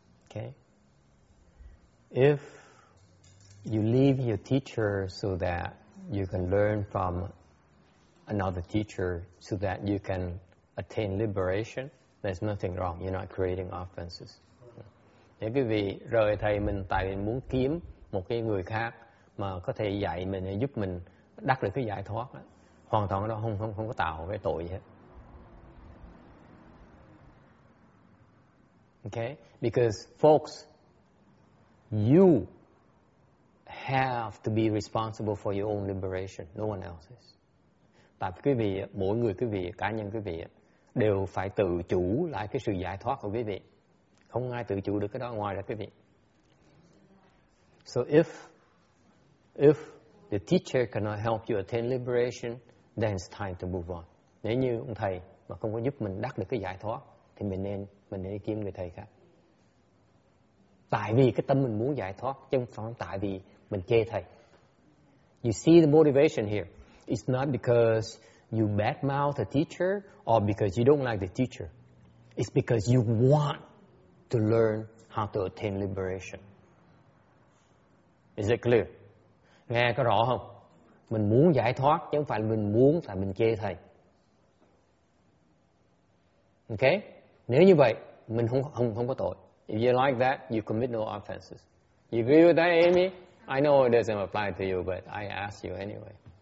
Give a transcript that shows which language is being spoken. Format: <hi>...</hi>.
<en>Okay. If you leave your teacher so that you can learn from another teacher so that you can attain liberation, there's nothing wrong. You're not creating offenses.</en> <vi>Nếu quý vị rời thầy mình tại vì muốn kiếm một cái người khác mà có thể dạy mình, giúp mình đắc được cái giải thoát, hoàn toàn nó không có tạo cái tội gì hết.</vi> <en>Okay, because folks, you have to be responsible for your own liberation, no one else's.</en> <vi>Tại quý vị, mỗi người quý vị, cá nhân quý vị đều phải tự chủ lại cái sự giải thoát của quý vị. Không ai tự chủ được cái đó ngoài ra quý vị.</vi> <en>So if the teacher cannot help you attain liberation, then it's time to move on.</en> <vi>Nếu như ông thầy mà không có giúp mình đắc được cái giải thoát, thì mình nên kiếm người thầy khác. Tại vì cái tâm mình muốn giải thoát, chứ không phải tại vì mình chê thầy.</vi> <en>You see the motivation here. It's not because you badmouth a teacher or because you don't like the teacher. It's because you want to learn how to attain liberation. Is it clear?</en> <vi>Nghe có rõ không? Mình muốn giải thoát, chứ không phải mình muốn tại mình chê thầy. Okay? Nếu như vậy, mình không có tội.</vi> <en>If you like that, you commit no offenses. You agree with that, Amy? I know it doesn't apply to you, but I ask you anyway.</en>